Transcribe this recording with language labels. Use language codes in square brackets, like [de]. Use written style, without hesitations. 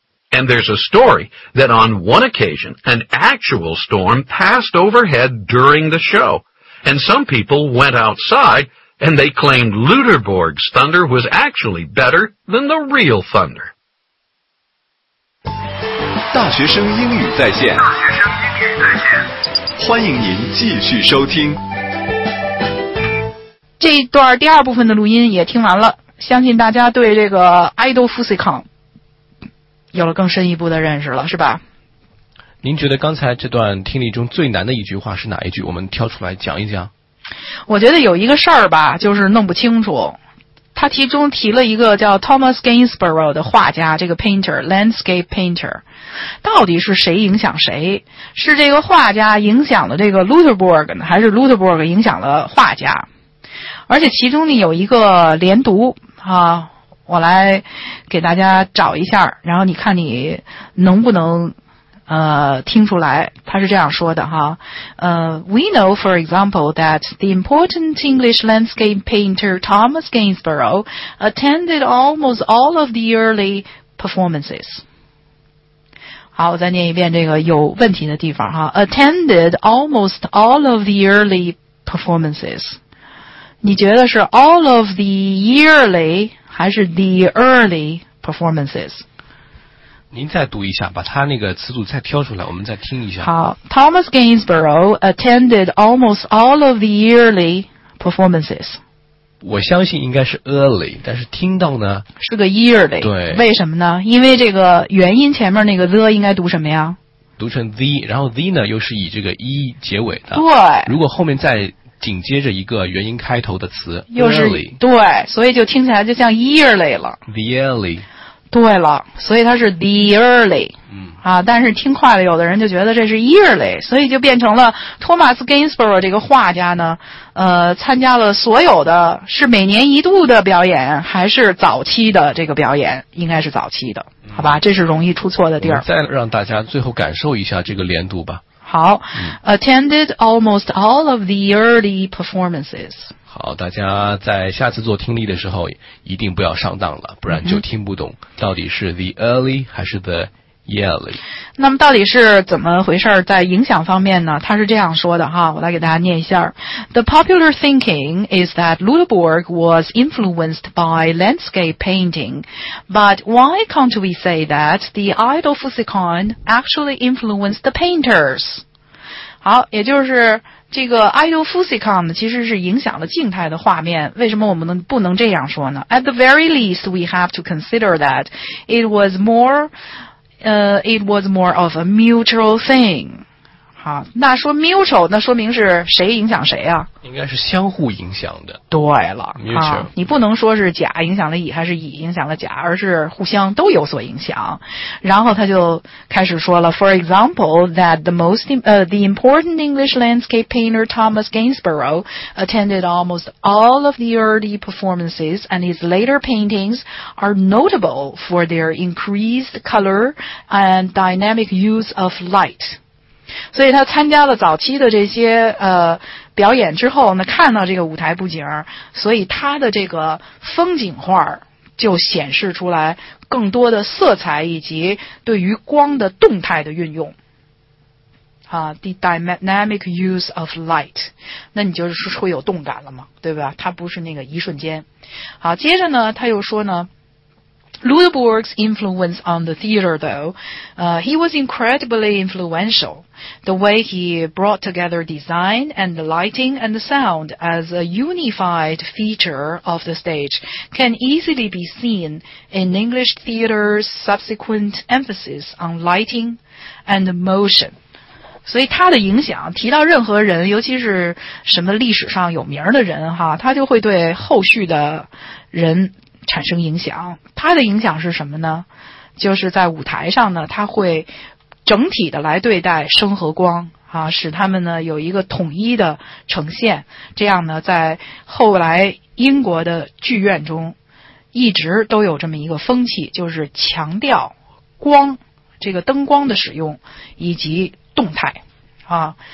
[en] And there's a story that on one occasion, an actual storm passed overhead during the show, and some people went outside, and they claimed Lüderburg's thunder was actually better than the real thunder. [zh] 大学生英语在线，欢迎您继续收听。这一段第二部分的录音也听完了。相信大家对这个 Ido Fusakon 有了更深一步的认识了，是吧？您觉得刚才这段听力中最难的一句话是哪一句？我们挑出来讲一讲。我觉得有一个事儿吧，就是弄不清楚。他其中提了一个叫 Thomas Gainsborough 的画家，这个 [en] painter, landscape painter, [zh] 到底是谁影响谁？是这个画家影响了这个 Lüderburg 呢，还是 Lüderburg 影响了画家？而且其中呢有一个连读啊，我来给大家找一下，然后你看你能不能听出来。他是这样说的哈， [en] We know, for example, that the important English landscape painter Thomas Gainsborough attended almost all of the early performances. [zh] 好，我再念一遍这个有问题的地方哈。 [en] Attended almost all of the early performances. [zh] 你觉得是 [en] all of the yearly [zh] 还是 [en] the early performances？ [zh] 您再读一下，把他那个词组再挑出来，我们再听一下。 [en] 好 ，Thomas Gainsborough attended almost all of the yearly performances. [zh] 我相信应该是 early， 但是听到呢是个 yearly。对，为什么呢？因为这个元音前面那个 the 应该读什么呀？读成 the， 然后 the 呢又是以这个 e 结尾的。对，如果后面再紧接着一个元音开头的词，又是 [en] early， [zh] 对，所以就听起来就像 yearly 了。 [en] The early。 [zh] 对了，所以它是 the early， 啊，但是听快了，有的人就觉得这是 yearly， 所以就变成了托马斯·盖恩斯伯罗这个画家呢，参加了所有的是每年一度的表演，还是早期的这个表演，应该是早期的，好吧？这是容易出错的地儿。再让大家最后感受一下这个连读吧。 [en] 好 ，attended almost all of the early performances。 [zh] 好，大家在下次做听力的时候一定不要上当了，不然就听不懂到底是 the early 还是 the yearly。那么到底是怎么回事，在影响方面呢，他是这样说的哈，我来给大家念一下。 [en] The popular thinking is that Ludeborg was influenced by landscape painting, but why can't we say that the idol Physikon actually influenced the painters? [zh] 好，也就是这个 idol Physikon 其实是影响了静态的画面，为什么我们不能这样说呢？ [en] At the very least, we have to consider that it was more of a mutual thing. [zh] 好，那说 mutual, 那说明是谁影响谁啊？应该是相互影响的。对了， [en] mutual。 [zh] 你不能说是甲影响了乙，还是乙影响了甲，而是互相都有所影响。然后他就开始说了， [en] for example, that the important English landscape painter Thomas Gainsborough attended almost all of the early performances, and his later paintings are notable for their increased color and dynamic use of light. [zh] 所以他参加了早期的这些表演之后呢，看到这个舞台布景，所以他的这个风景画就显示出来更多的色彩以及对于光的动态的运用。 [en] The dynamic use of light， [zh] 那你就是会有动感了嘛，对吧？它不是那个一瞬间。好，接着呢他又说呢， [en] Ludeborg's influence on the theater, though, he was incredibly influential. The way he brought together design and lighting and sound as a unified feature of the stage can easily be seen in English theater's subsequent emphasis on lighting and motion. [zh] 所以他的影响，提到任何人，尤其是什么历史上有名的人哈，他就会对后续的人产生影响。它的影响是什么呢？就是在舞台上呢，它会整体的来对待声和光啊，使他们呢有一个统一的呈现，这样呢在后来英国的剧院中一直都有这么一个风气，就是强调光，这个灯光的使用以及动态啊。